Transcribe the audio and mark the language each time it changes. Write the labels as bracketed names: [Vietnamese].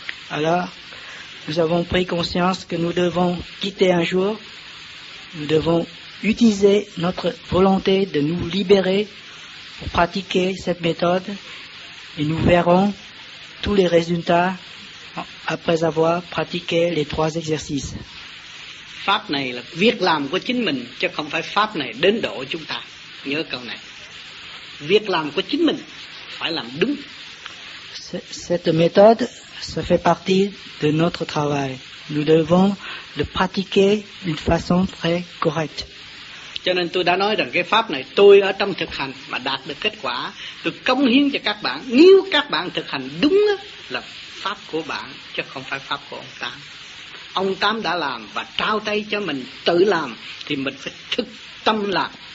[French] Alors, nous avons pris conscience que nous devons quitter un jour, nous devons utiliser notre volonté de nous libérer pour pratiquer cette méthode et nous verrons tous les résultats après avoir pratiqué les trois exercices. [Vietnamese] Pháp này là việc làm của chính mình chứ không phải pháp này đến độ chúng ta. Nhớ câu này. Việc làm của chính mình phải làm đúng. [French] Cette méthode, ça fait partie de notre travail. Nous devons le pratiquer d'une façon très correcte. [Vietnamese] Cho nên tôi đã nói rằng cái pháp này tôi ở trong thực hành mà đạt được kết quả, tôi cống hiến cho các bạn. Nếu các bạn thực hành đúng là pháp của bạn chứ không phải pháp của ông Tám. Ông Tám đã làm và trao tay cho mình tự làm thì mình phải thức tâm làm.